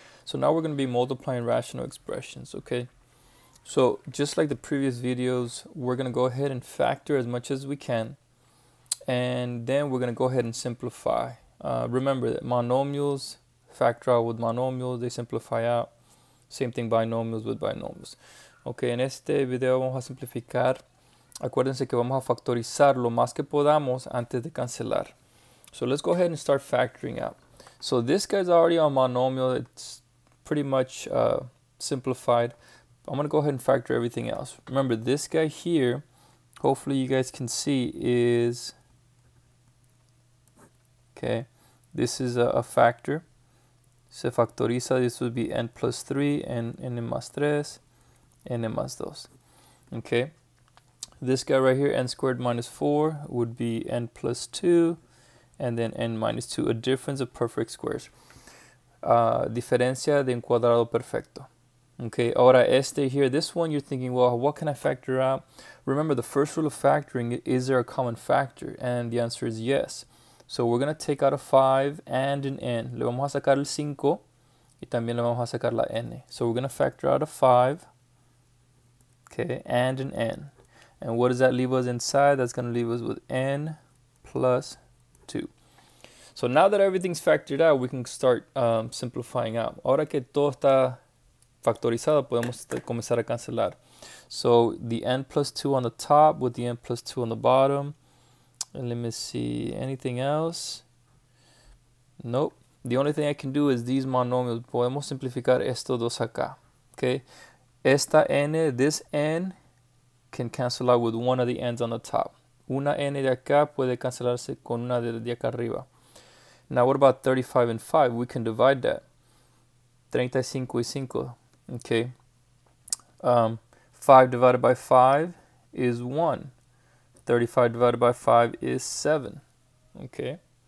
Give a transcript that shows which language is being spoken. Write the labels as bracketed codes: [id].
[en] So now we're going to be multiplying rational expressions, okay? So just like the previous videos, we're going to go ahead and factor as much as we can, and then we're going to go ahead and simplify. Remember that monomials factor out with monomials, they simplify out. Same thing binomials with binomials. Okay, [es] en este video vamos a simplificar. Acuérdense que vamos a factorizar lo más que podamos antes de cancelar. [en] So let's go ahead and start factoring out. So this guy's already a monomial. It's pretty much simplified. I'm going to go ahead and factor everything else. Remember, this guy here, hopefully you guys can see, is... Okay, this is a factor. [es] Se factoriza, [en] this would be n plus 3, [es] n más 3, n más 2. [en] Okay. This guy right here, n squared minus 4, would be n plus 2, and then n minus 2, a difference of perfect squares. [es] Diferencia de un cuadrado perfecto. [en] Okay, [es] ahora este [en] here, this one, you're thinking, well, what can I factor out? Remember, the first rule of factoring, is there a common factor? And the answer is yes. So we're going to take out a 5 and an n. [es] Le vamos a sacar el 5 y también le vamos a sacar la n. [en] So we're going to factor out a 5, okay, and an n. And what does that leave us inside? That's going to leave us with n plus 2. So now that everything's factored out, we can start simplifying out. [es] Ahora que todo está factorizado, podemos comenzar a cancelar. [en] So the n plus 2 on the top with the n plus 2 on the bottom. And let me see, anything else? Nope. The only thing I can do is these monomials. [es] Podemos simplificar estos dos acá. [en] Okay. [es] Esta n, [en] this n, can cancel out with one of the n's on the top. [es] Una n de acá puede cancelarse con una de acá arriba. [en] Now what about 35 and 5? We can divide that. [es] 35 y 5. [en] Okay. 5 divided by 5 is 1. 35 divided by 5 is 7. Okay.